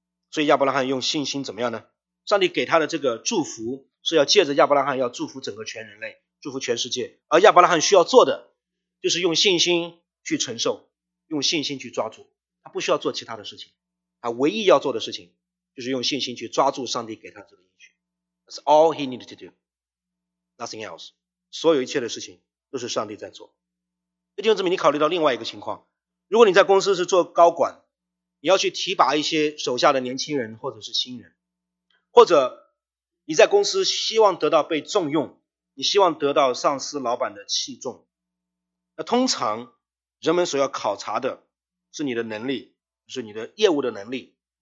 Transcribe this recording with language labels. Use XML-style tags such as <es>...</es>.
<zh>所以亚伯拉罕用信心怎么样呢？上帝给他的这个祝福是要借着亚伯拉罕要祝福整个全人类，祝福全世界，而亚伯拉罕需要做的就是用信心去承受，用信心去抓住，他不需要做其他的事情，他唯一要做的事情就是用信心去抓住上帝给他这个应许。</zh> <en>That's all he needed to do, nothing else,</en> <zh>所有一切的事情都是上帝在做。弟兄姊妹，你考虑到另外一个情况，如果你在公司是做高管，你要去提拔一些手下的年轻人或者是新人，或者你在公司希望得到被重用，你希望得到上司老板的器重，那通常人们所要考察的是你的能力，是你的业务的能力，</zh>